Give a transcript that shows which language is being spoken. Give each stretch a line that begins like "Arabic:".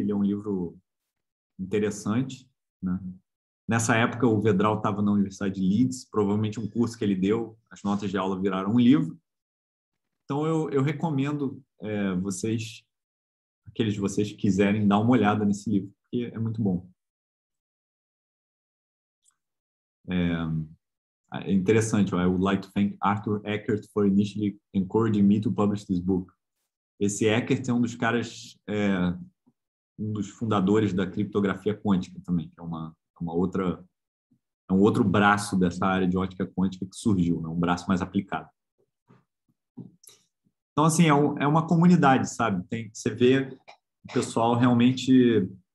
Portuguese: Ele é um livro interessante. Né? Nessa época, o Vedral estava na Universidade de Leeds. Provavelmente, um curso que ele deu, as notas de aula viraram um livro. Então, eu recomendo vocês, aqueles de vocês que quiserem, dar uma olhada nesse livro, porque é muito bom. É interessante,
English: I would like to thank Arthur Eckert for initially encouraging me to publish this book.
Portuguese: Esse Eckert é um dos caras, um dos fundadores da criptografia quântica também, que é um outro braço dessa área de ótica quântica que surgiu, né? Um braço mais aplicado. Então, assim, é uma comunidade, sabe? Você vê o pessoal realmente...